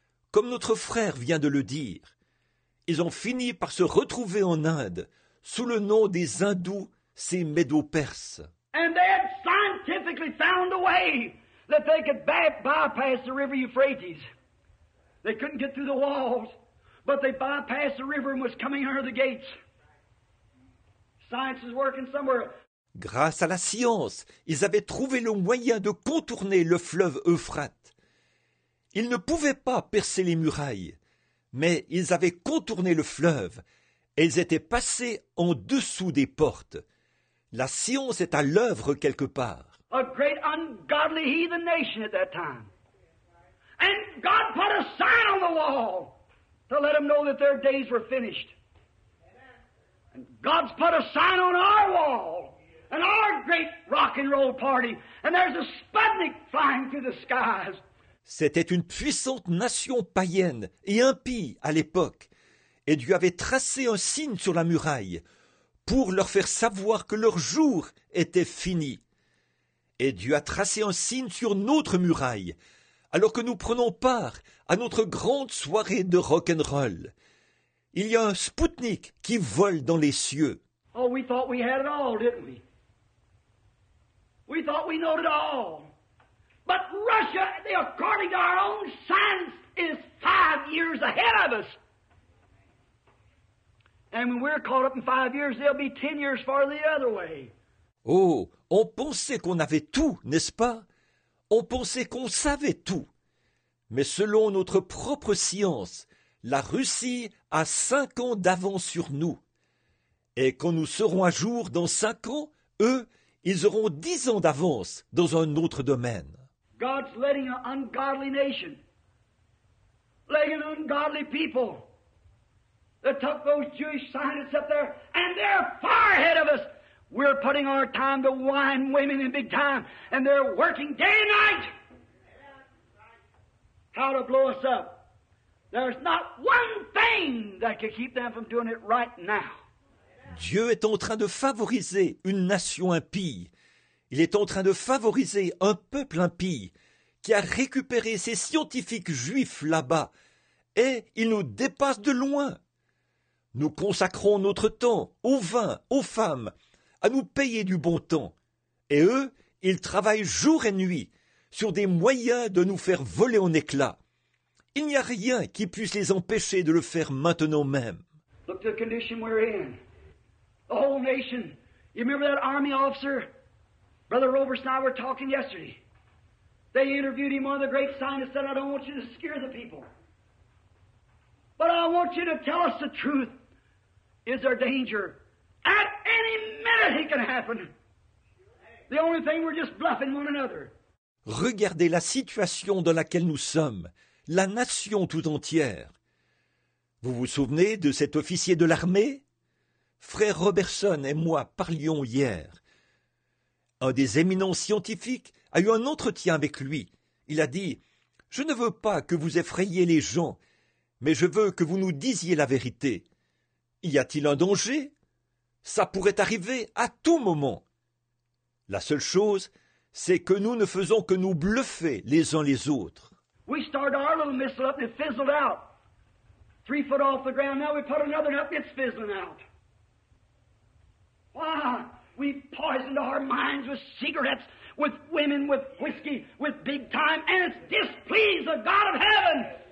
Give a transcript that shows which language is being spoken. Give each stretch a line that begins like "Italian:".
French: Comme notre frère vient de le dire, ils ont fini par se retrouver en Inde, sous le nom des Hindous, ces Médo-Perses.
English: And they had scientifically found a way that they could bypass the river Euphrates. They couldn't get through the walls, but they bypassed the river and was coming under the gates. Science is working somewhere.
French: Grâce à la science, ils avaient trouvé le moyen de contourner le fleuve Euphrate. Ils ne pouvaient pas percer les murailles, mais ils avaient contourné le fleuve et ils étaient passés en dessous des portes. La science est à l'œuvre quelque part.
English: A great ungodly heathen nation at that time. And God put a sign on the wall to let them know that their days were finished. And God's put a sign on our wall and our great rock and roll party. And there's a Sputnik flying through the skies.
French: C'était une puissante nation païenne et impie à l'époque. Et Dieu avait tracé un signe sur la muraille pour leur faire savoir que leur jour était fini. Et Dieu a tracé un signe sur notre muraille alors que nous prenons part à notre grande soirée de rock'n'roll. Il y a un Sputnik qui vole dans les cieux.
English: Oh, we thought we had it all, didn't we? We thought we knew it all. But Russia, according to our own science, is 5 years ahead of us. And when we're caught up in 5 years, they'll be 10 years farther the other way.
French: Oh, on pensait qu'on avait tout, n'est-ce pas? On pensait qu'on savait tout. Mais selon notre propre science, la Russie a 5 ans d'avance sur nous. Et quand nous serons à jour dans 5 ans, eux, ils auront 10 ans d'avance dans un autre domaine.
English: God's letting an ungodly nation, letting an ungodly people that took those Jewish scientists up there, and they're far ahead of us. We're putting our time to wine women in big time, and they're working day and night how to blow us up. There's not one thing that can keep them from doing it right now.
French: Dieu est en train de favoriser une nation impie. Il est en train de favoriser un peuple impie qui a récupéré ses scientifiques juifs là-bas, et il nous dépasse de loin. Nous consacrons notre temps au vin, aux femmes, à nous payer du bon temps. Et eux, ils travaillent jour et nuit sur des moyens de nous faire voler en éclats. Il n'y a rien qui puisse les empêcher de le faire maintenant même.
English: Look at the condition we're in. The whole nation. You remember that army officer? Brother Roberts and I were talking yesterday. They interviewed him, one of the great scientists, said, I don't want you to scare the people. But I want you to tell us the truth. Is there danger? At any minute, it can happen. The only thing, we're just bluffing one another.
French: Regardez la situation dans laquelle nous sommes, la nation tout entière. Vous vous souvenez de cet officier de l'armée? Frère Robertson et moi parlions hier. Un des éminents scientifiques a eu un entretien avec lui. Il a dit, Je ne veux pas que vous effrayiez les gens, mais je veux que vous nous disiez la vérité. Y a-t-il un danger? Ça pourrait arriver à tout moment. La seule chose, c'est que nous ne faisons que nous bluffer les uns les autres.
English: We started our little missile up and it fizzled out. 3 feet off the ground, now we put another up, it's fizzling out. Why? We poisoned our minds with cigarettes, with women, with whiskey, with big time, and it's displeased the God of heaven.